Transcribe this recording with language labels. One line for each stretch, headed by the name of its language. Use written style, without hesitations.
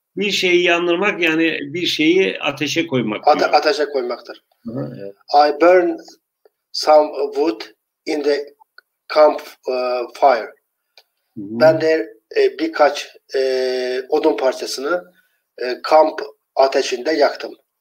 Turkish: Bir şeyi yandırmak yani bir şeyi ateşe koymak. Ateşe koymaktır. Hı, evet.
English: I burn some wood in the camp fire. Hı-hı.
Turkish: Ben de birkaç odun parçasını kamp ateşinde yaktım.